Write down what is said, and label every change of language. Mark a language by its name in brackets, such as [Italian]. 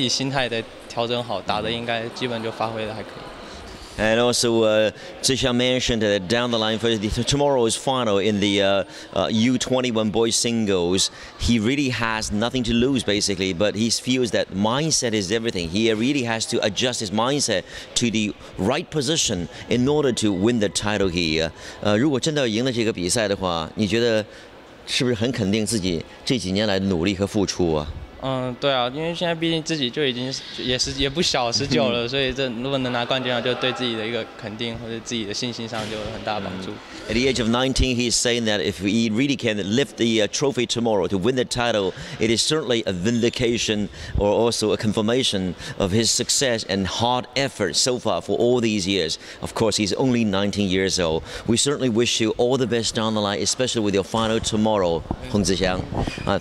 [Chinese] 明天打决赛最重要的一点是什么呢？最终应该还是心态吧，就是心态自己的摆正，就是可能打到决赛，可能自己就会想说，就是想赢啊或什么，就是不管对谁，就是自己。有没有会有想赢怕输啊？有时候也会，就有时候也可能会怕输，就打的缩手缩脚，就是自己心态的调整好，打的应该基本就发挥的还可以。 [English] And also, Tzu-Hsiang mentioned that down the line for tomorrow's final in the U21 boys singles, he really has nothing to lose, basically. But he feels that mindset is everything. He really has to adjust his mindset to the right position in order to win the title here. [Chinese] 如果真的赢了这个比赛的话，你觉得是不是很肯定自己这几年来的努力和付出啊？对啊，因为现在毕竟自己就已经也不小19了，所以这如果能拿冠军啊，就对自己的一个肯定或者自己的信心上就有很大帮助。 [English] At the age of 19, he is saying that if he really can lift the trophy tomorrow to win the title, it is certainly a vindication or also a confirmation of his success and hard effort so far for all these years. Of course, he's only 19 years old. We certainly wish you all the best down the line, especially with your final tomorrow, HUNG Tzu-Hsiang.